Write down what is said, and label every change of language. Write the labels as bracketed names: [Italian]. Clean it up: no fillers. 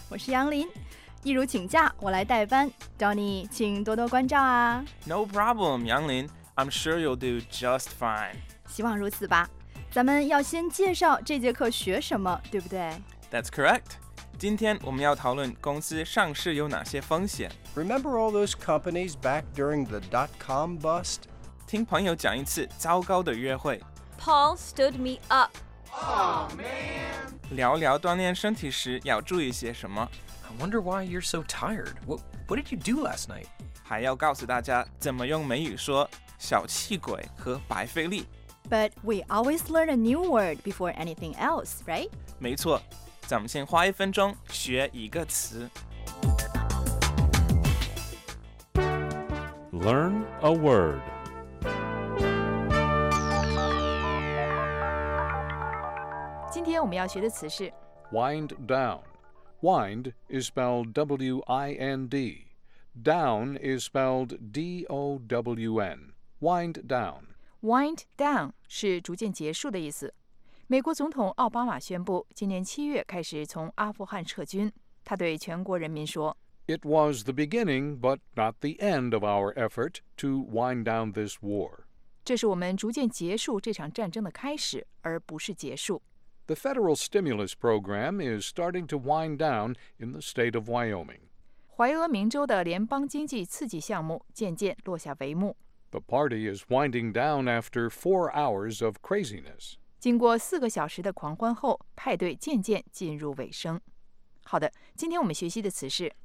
[Chinese] 我是杨林。一如请假，我来代班。Donny 请多多关照啊。 [English] No problem， 杨林， I'm sure you'll do just fine。 [Chinese] 希望如此吧。咱们要先介绍这节课学什么，对不对？ [English] That's correct。 [Chinese] 今天我们要讨论公司上市有哪些风险。 [English] Remember all those companies back during the dot-com bust？ [Chinese] 听朋友讲一次糟糕的约会。 [English] Paul stood me up. Oh man. [Chinese] 聊聊锻炼身体时要注意些什么。 [English] I wonder why you're so tired. What did you do last night? [Chinese] 还要告诉大家怎么用美语说小气鬼和白费力。 [English] But we always learn a new word before anything else, right? [Chinese] 没错，咱们先花一分钟学一个词。 [English] Learn a word. [Chinese] 今天我们要学的词是 [English] wind down. Wind is spelled W-I-N-D. Down is spelled D-O-W-N. Wind down. [Chinese] Wind down 是逐渐结束的意思。美国总统奥巴马宣布今年七月开始从阿富汗撤军。他对全国人民说 [English] It was the beginning but not the end of our effort to wind down this war. [Chinese] 这是我们逐渐结束这场战争的开始，而不是结束。 [English] The federal stimulus program is starting to wind down in the state of Wyoming. [Chinese] 怀俄明州的联邦经济刺激项目渐渐落下帷幕。 [English] The party is winding down after 4 hours of craziness. [Chinese] 经过四个小时的狂欢后，派对渐渐进入尾声。好的，今天我们学习的词是